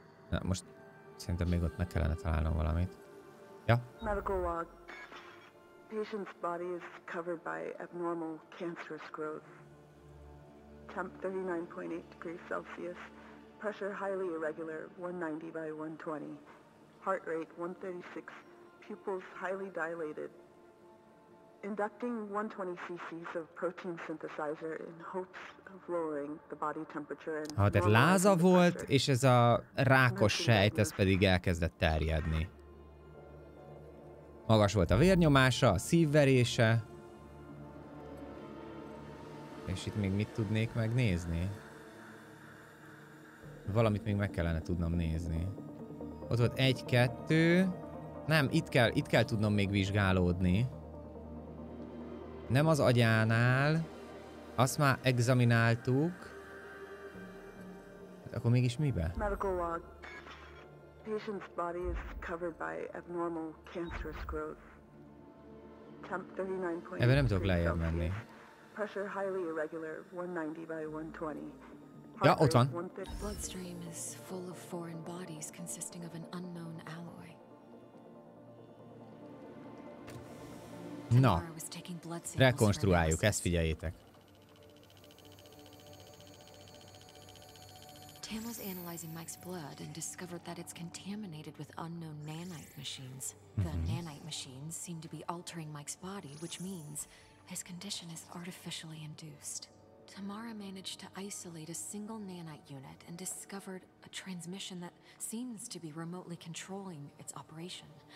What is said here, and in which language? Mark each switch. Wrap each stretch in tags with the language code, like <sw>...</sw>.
<hu>Na, most szerintem még ott meg kellene találnom valamit. Ja?</hu> <en>Medical log. Patient's body is covered by abnormal cancerous growth. Temp 39.8 degrees Celsius. Pressure highly irregular, 190 by 120. Heart rate 136. Pupils highly dilated. Inducting 120 cc's of protein synthesizer in hopes of lowering the body temperature and...</en> <hu>Ah, tehát láza volt, és ez a rákos sejt, ez pedig elkezdett terjedni. Magas volt a vérnyomása, a szívverése. És itt még mit tudnék megnézni? Valamit még meg kellene tudnom nézni. Ott volt 1-2. Nem, itt kell tudnom még vizsgálódni. Nem az agyánál. Azt már examináltuk. Akkor mégis mibe?</hu> <en>Patient's body is covered by abnormal cancerous growth. Temp 39.8 degrees Celsius. Pressure highly irregular, 190 by 120.</en> <hu>Ja, ott van.</hu> <en>Bloodstream is full of foreign bodies consisting of an unknown alloy.</en> <hu>Na, rekonstruáljuk, ezt figyeljétek.</hu> <en>Tim was analyzing Mike's blood and discovered that it's contaminated with unknown nanite machines. The nanite machines seem to be altering Mike's body, which means his condition is artificially induced. Tamara managed to isolate a single nanite unit and discovered a transmission that seems to be remotely controlling its operation.</en>